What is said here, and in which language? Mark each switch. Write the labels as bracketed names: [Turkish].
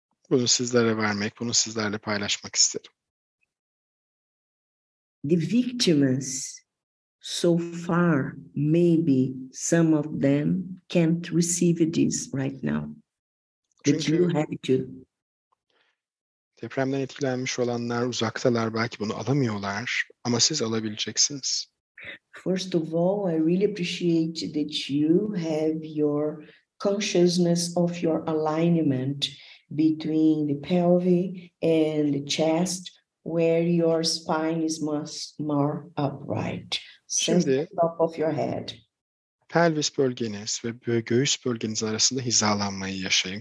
[Turkish] Bunu sizlere vermek, bunu sizlerle paylaşmak isterim. [English] The victims so far, maybe some of them can't receive this right now. But you have to. [Turkish] Depremden etkilenmiş olanlar uzaktalar, belki bunu alamıyorlar ama siz alabileceksiniz. [English] First of all, I really appreciate that you have your consciousness of your alignment between the pelvis and the chest, where your spine is more upright, since the top of your head. [Turkish] Pelvis bölgeniz ve göğüs bölgeniz arasında hizalanmayı yaşayın.